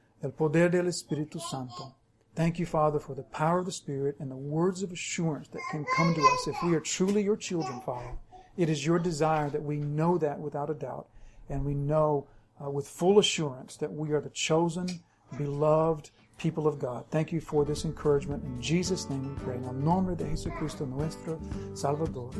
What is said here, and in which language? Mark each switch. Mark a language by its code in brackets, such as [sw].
[es] el poder del Espíritu Santo. [en] Thank you, Father, for the power of the Spirit and the words of assurance that can come to us if we are truly your children, Father. It is your desire that we know that without a doubt, and we know with full assurance that we are the chosen, beloved people of God. Thank you for this encouragement. In Jesus' name we pray. [es] En el nombre de Jesucristo nuestro Salvador.